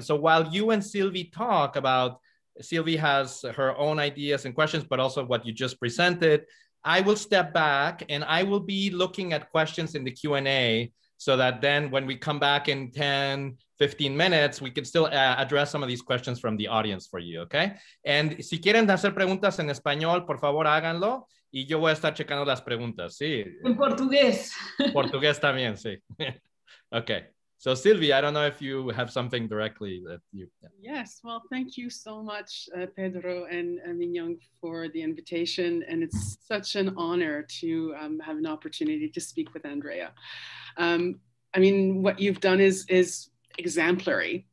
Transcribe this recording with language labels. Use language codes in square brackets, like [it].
[en] So while you and Sylvie talk about, Sylvie has her own ideas and questions, but also what you just presented, I will step back and I will be looking at questions in the Q&A so that then when we come back in 10, 15 minutes, we can still address some of these questions from the audience for you, okay? [es] And si quieren hacer preguntas en español, por favor, háganlo. Y yo voy a estar checando las preguntas, sí. En portugués. Portugués también, sí. Okay. [en] So Sylvie, I don't know if you have something directly that you... Yeah. Yes, well, thank you so much, Pedro and Mignon, for the invitation. And it's such an honor to have an opportunity to speak with Andrea. I mean, what you've done is exemplary.